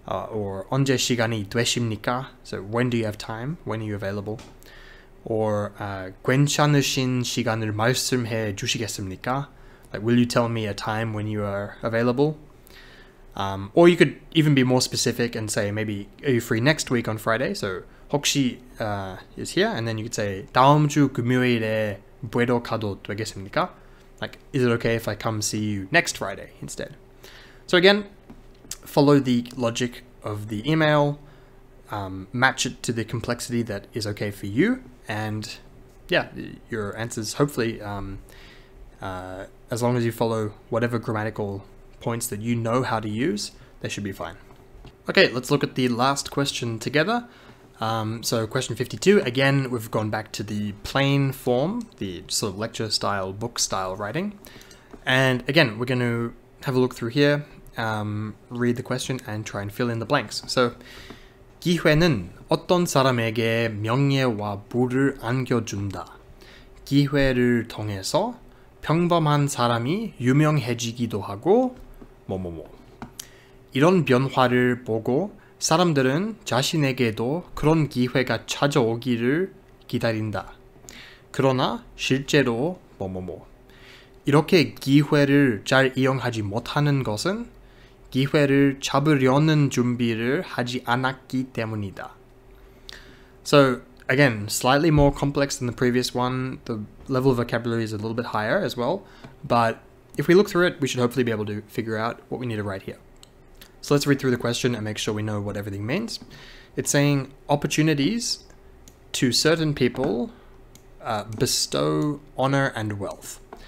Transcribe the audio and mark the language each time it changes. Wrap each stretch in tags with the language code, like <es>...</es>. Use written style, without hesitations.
<ko>Or 언제 시간이 되십니까?</ko> <en>So when do you have time? When are you available?</en> <ko>Or 괜찮으신 시간을 말씀해 주시겠습니까?</ko> <en>Like, will you tell me a time when you are available? Or you could even be more specific and say, maybe, are you free next week on Friday? So 혹시 is here, and then you could say</en> <ko>다음 주 금요일에 뵈러 가도 되겠습니까?</ko> <en>Like, is it okay if I come see you next Friday instead? So again, follow the logic of the email, match it to the complexity that is okay for you, and yeah, your answers, hopefully, as long as you follow whatever grammatical points that you know how to use, they should be fine. Okay, let's look at the last question together. So question 52, again, we've gone back to the plain form, the sort of lecture style, book style writing. And again, we're going to have a look through here, read the question and try and fill in the blanks.</en> <ko>So 기회는 어떤 사람에게 명예와 부를 안겨준다. 기회를 통해서 평범한 사람이 유명해지기도 하고 뭐뭐뭐. 이런 변화를 보고 사람들은 자신에게도 그런 기회가 찾아오기를 기다린다. 그러나 실제로 뭐뭐뭐. 이렇게 기회를 잘 이용하지 못하는 것은 기회를 잡으려는 준비를 하지 않았기 때문이다.</ko> <en>So again, slightly more complex than the previous one. The level of vocabulary is a little bit higher as well. But if we look through it, we should hopefully be able to figure out what we need to write here. So let's read through the question and make sure we know what everything means. It's saying opportunities to certain people bestow honor and wealth.</en>